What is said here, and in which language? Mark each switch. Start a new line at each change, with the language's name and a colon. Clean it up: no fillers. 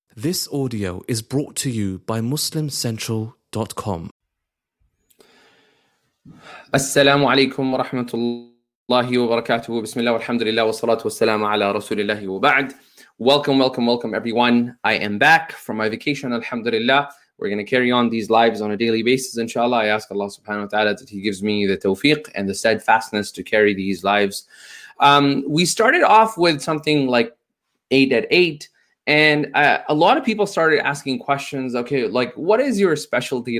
English: This audio is brought to you by MuslimCentral.com.
Arabic: السلام عليكم ورحمة الله وبركاته. بسم الله والحمد لله والصلاة والسلام على رسول الله وبعد.
English: Welcome, welcome, welcome everyone. I am back from my vacation, alhamdulillah. We're going to carry on these lives on a daily basis, inshallah. I ask Allah subhanahu wa ta'ala that He gives me the tawfiq and the steadfastness to carry these lives. We started off with something like 8 at 8. And a lot of people started asking questions, okay, like, what is your specialty?